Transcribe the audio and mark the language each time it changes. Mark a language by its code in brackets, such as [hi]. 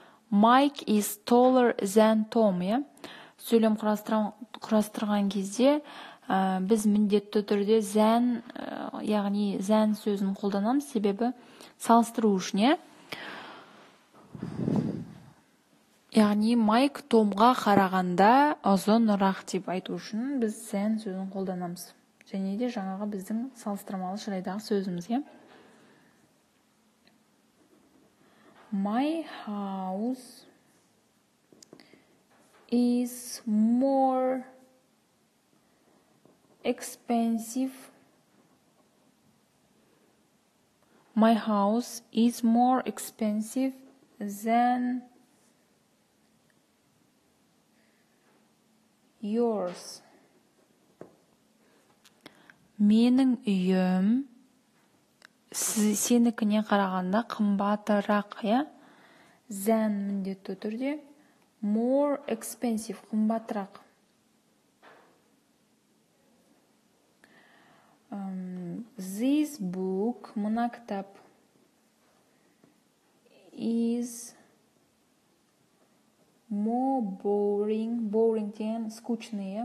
[en] Mike is taller than Tom, я. [kk] Сөйлем құрастырған кезде, біз міндетті түрде than, яғни than сөзін қолданамыз, себебі салыстыру үшін, я. Яғни Mike Tom-ға қарағанда ұзынырақ деп айту үшін біз than сөзін қолданамыз. Және де жаңағы біздің салыстырмалы шырайдағы сөзіміз, я. [en] My house is more expensive. My house is more expensive than yours. [kk] Менің үйім сенікіне қарағанда қымбатырақ, я? Than міндетті түрде. [en] More expensive, [kk] қымбатырақ. [en] This book, [kk] мына кітап, [en] is more boring, boring [kk] деген [ru] скучный, [en] я?